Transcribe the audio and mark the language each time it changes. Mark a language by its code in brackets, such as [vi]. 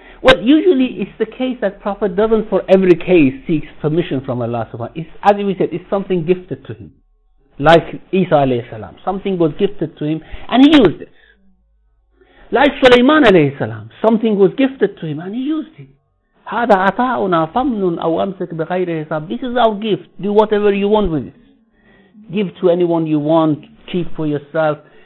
[en] Well, usually it's the case that Prophet doesn't for every case seeks permission from Allah subhanahu wa ta'ala. It's, as we said, it's something gifted to him. Like Isa alayhi salam. Something was gifted to him and he used it. Like Sulaiman alayhi salam. Something was gifted to him and he used it. [ar] هذا عطاؤنا فمن أو أمسك بغير حساب. [en] This is our gift. Do whatever you want with it. Give to anyone you want. Keep for yourself.